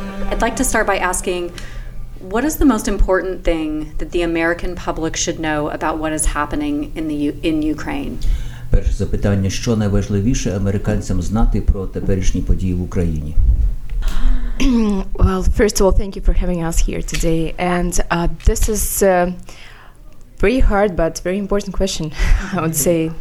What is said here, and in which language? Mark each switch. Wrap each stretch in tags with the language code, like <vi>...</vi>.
<en>I'd like to start by asking, what is the most important thing that the American public should know about what is happening in Ukraine?</en> <uk>Перше запитання, що найважливіше американцям знати про теперішні події в Україні?</uk> <en>Well, first of all, thank you for having us here today. And this is a pretty hard but very important question, I would say.</en>